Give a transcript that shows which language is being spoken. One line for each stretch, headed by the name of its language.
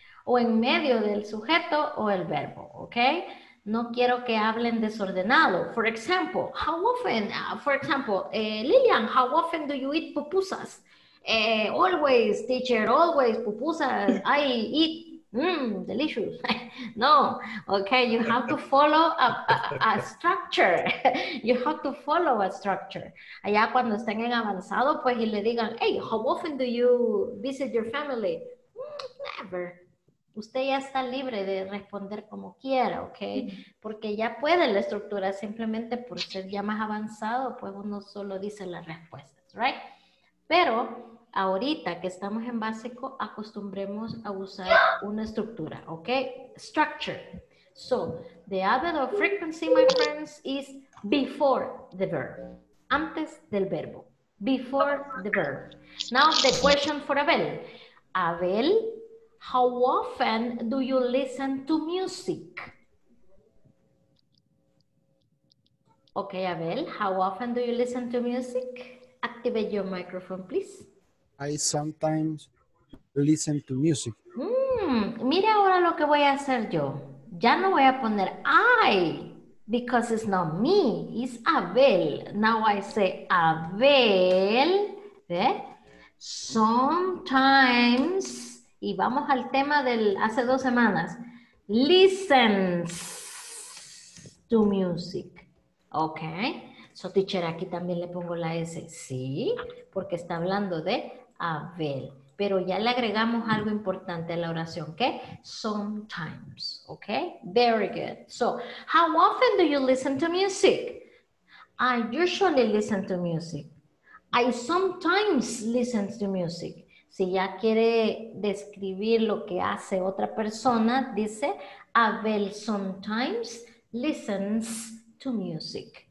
Spanish: O en medio del sujeto o el verbo, okay? No quiero que hablen desordenado.
English: For example, Lilian, how often do you eat pupusas? Always, teacher, always, pupusas, I eat, delicious. No, okay, you have to follow a structure. You have to follow a structure.
Spanish: Allá cuando estén en avanzado, pues, y le digan,
English: hey, how often do you visit your family? Never.
Spanish: Usted ya está libre de responder como quiera, okay? Porque ya puede la estructura, simplemente por ser ya más avanzado, pues uno solo dice las respuestas, right? Pero ahorita que estamos en básico, acostumbremos a usar una estructura, okay?
English: Structure. So, the adverb of frequency, my friends, is before the verb.
Spanish: Antes del verbo.
English: Before the verb. Now, the question for Abel. Abel, how often do you listen to music? Okay, Abel, how often do you listen to music? Activate your microphone, please. I sometimes listen to music.
Spanish: Mire ahora lo que voy a hacer yo. Ya no voy a poner I,
English: because it's not me, it's Abel. Now I say Abel, ¿eh?
Spanish: Sometimes, y vamos al tema del hace dos semanas,
English: listens to music,
Spanish: okay?
English: So teacher,
Spanish: aquí también le pongo la S, sí, porque está hablando de Abel, pero ya le agregamos algo importante a la oración, ¿qué?
English: Sometimes, okay? Very good. So, how often do you listen to music? I usually listen to music. I sometimes listen to music.
Spanish: Si ya quiere describir lo que hace otra persona, dice Abel
English: sometimes listens to music.